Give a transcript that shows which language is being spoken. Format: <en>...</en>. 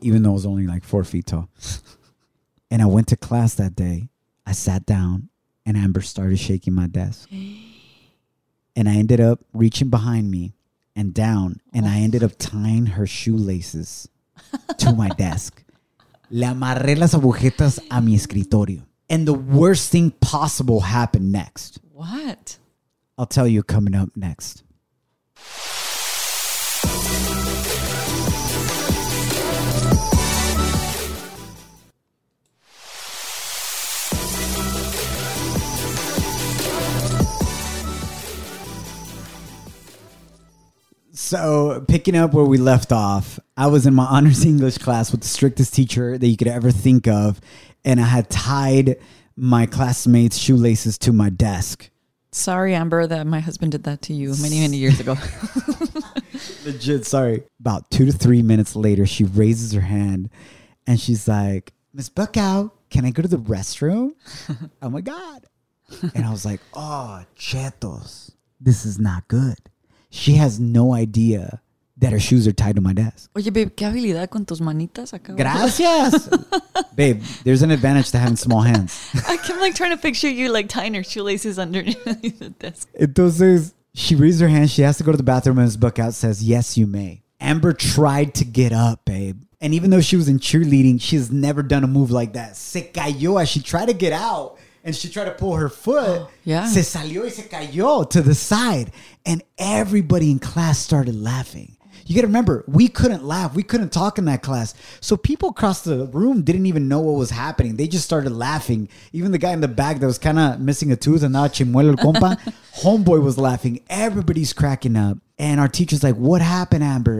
<en>Even though I was only like 4 feet tall. And I went to class that day. I sat down and Amber started shaking my desk. And I ended up reaching behind me and down. And I ended up tying her shoelaces to my desk.</en> <es>Le amarré las agujetas a mi escritorio.</es> <en>And the worst thing possible happened next. What? I'll tell you coming up next. So picking up where we left off, I was in my honors English class with the strictest teacher that you could ever think of. And I had tied my classmates' shoelaces to my desk. Sorry, Amber, that my husband did that to you many, many years ago. Legit, sorry. About 2 to 3 minutes later, she raises her hand and she's like, Miss Buckow, can I go to the restroom? Oh, my God. And I was like, oh, chetos, this is not good. She has no idea that her shoes are tied to my desk.</en> <es>Oye, babe, ¿qué habilidad con tus manitas acá? Gracias.</es> <en>Babe, there's an advantage to having small hands. I'm like trying to picture you like tying her shoelaces underneath the desk. Entonces, she raises her hand. She has to go to the bathroom and his book out says, yes, you may. Amber tried to get up, babe. And even though she was in cheerleading, she has never done a move like that.</en> <es>Se cayó</es> <en>as she tried to get out. And she tried to pull her foot. Oh, yeah.</en> <es>Se salió y se cayó</es> <en>to the side. And everybody in class started laughing. You got to remember, we couldn't laugh. We couldn't talk in that class. So people across the room didn't even know what was happening. They just started laughing. Even the guy in the back that was kind of missing a tooth and not</en> <es>chimuelo el compa,</es> <en>homeboy was laughing. Everybody's cracking up. And our teacher's like, what happened, Amber?</en>